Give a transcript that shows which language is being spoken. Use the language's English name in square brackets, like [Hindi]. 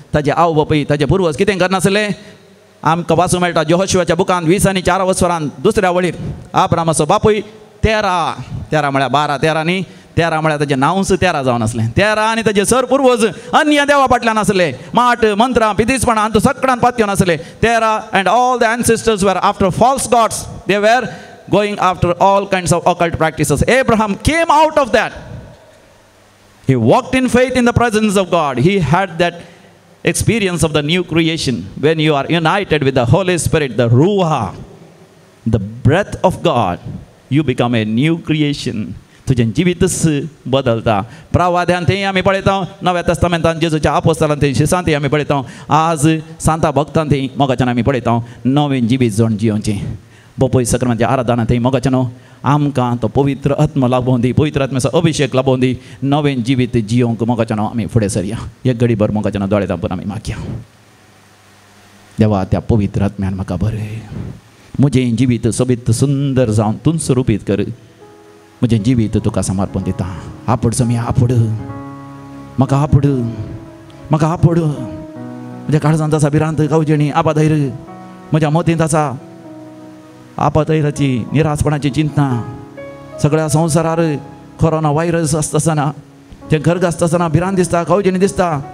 [Goan Konkani] ताचे आवय बापूय ताचे पुर्वज कितें करनासले आमकां वाचूंक मेळटा यहोशुआच्या बुकांत 20:4 दुसऱ्या वळीर आब्रामाचो बापूय 13 म्हळ्यार 12-13 न्ही. 13 म्हळ्यार ताचें नांवच 13 जावन आसलें. 13 आनी ताचे सर पुर्वज अन्य देवा फाटल्यान आसले. माट मंत्रां पितीसपणां हांतू सगळ्यांत पात घेवन आसले. [English] 13 and all the ancestors were after false gods they were going after all kinds of occult practices. Abraham came out of that. He walked in faith in the presence of God. He had that experience of the new creation. When you are united with the Holy Spirit the रुहा the breath of God you become a new creation. [Goan Konkani] तुजें जिवीतच बदलता. प्रवाद्यान थंय आमी पळयता नव्या तस्तामेंतान जेजूच्या आपोस्तलान थंय शिसांत आमी पळयता. आज सांता भक्तान थंय मोगाच्यान आमी पळयता नवें जिवीत जावन जिवचें. बापूय सक्रमांतल्या आराधना थंय मोगाच्यान आमकां तो पवित्र आत्म लाभोवन दी पवित्र आत्म्याचो अभिशेक लाभोवन दी नवें जिवीत जियोंक मोगाच्यान आमी फुडें सरया. एक घडीभर मोगाच्यान दोळे दाबून आमी मागया. देवा त्या पवित्र आत्म्यान म्हाका बरें म्हजें जिवीत सोबीत सुंदर जावन तुंस रुपीत कर. म्हजें जिवीत तुका समर्पण दिता. आपूड समी आपूड म्हाका आपूड म्हाका आपूड म्हज्या काळजांत आसा भिरांत गांवजणी आबादैर म्हज्या मतींत आसा आपादैराची निराशपणाची चिंता. सगळ्या संवसारार कोरोना व्हायरस आसतासतना तें गर्ग आसतासतना भिरांत दिसता गांवजणी दिसता.